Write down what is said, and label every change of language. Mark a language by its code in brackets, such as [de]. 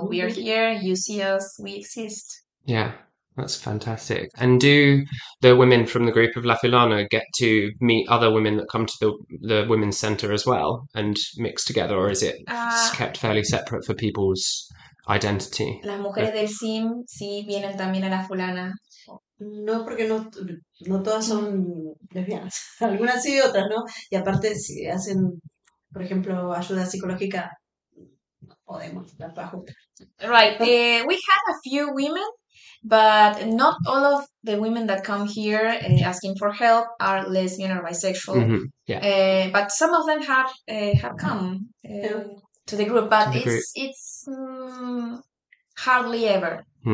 [en] So we are here, you see us, we exist. Yeah. That's fantastic. And do the women from the group of La Fulana get to meet other women that come to the women's center as well and mix together, or is it kept fairly separate for people's identity? [es] Las mujeres del CIM sí vienen también a la fulana. No, porque no todas son lesbianas. Algunas sí, otras no. Y aparte, si hacen, por ejemplo, ayuda psicológica, podemos dar para juntas. [en] Right. We have a few women, but not all of the women that come here asking for help are lesbian or bisexual. But some of them have come to the group, To but the group. it's hardly ever.